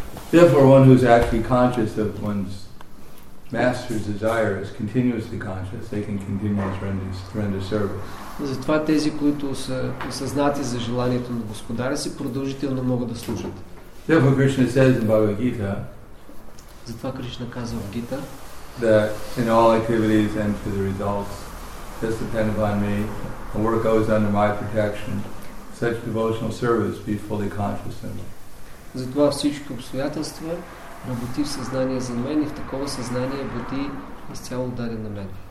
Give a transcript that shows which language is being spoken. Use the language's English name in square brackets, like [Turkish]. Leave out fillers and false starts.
[English] Therefore, one who is actually conscious of one's master's desire is continuously conscious. They can continue to render service. [Bulgarian] Затова тези, които са осъзнати за желанието на господаря си, продължително могат да служат. [English] Therefore, Krishna says in Bhagavad Gita, [Bulgarian] затова Кришна казва в Гита, [English] that in all activities and for the results, just depend upon me, and work goes under my protection, such devotional service be fully conscious in me. [Bulgarian] Затова всички обстоятелства работи в съзнание за мен и в такова съзнание бъди изцяло даден на мен.